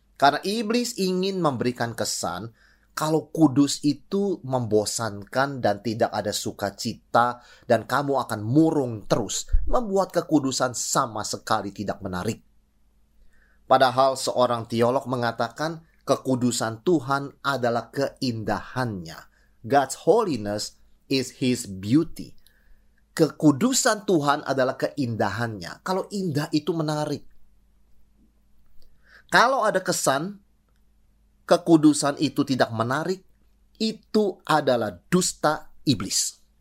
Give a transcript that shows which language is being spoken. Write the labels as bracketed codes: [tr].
[id] Karena iblis ingin memberikan kesan kalau kudus itu membosankan dan tidak ada sukacita dan kamu akan murung terus, membuat kekudusan sama sekali tidak menarik. Padahal seorang teolog mengatakan kekudusan Tuhan adalah keindahannya. [en] God's holiness is his beauty. [id] Kekudusan Tuhan adalah keindahannya. Kalau indah itu menarik. Kalau ada kesan kekudusan itu tidak menarik, itu adalah dusta iblis.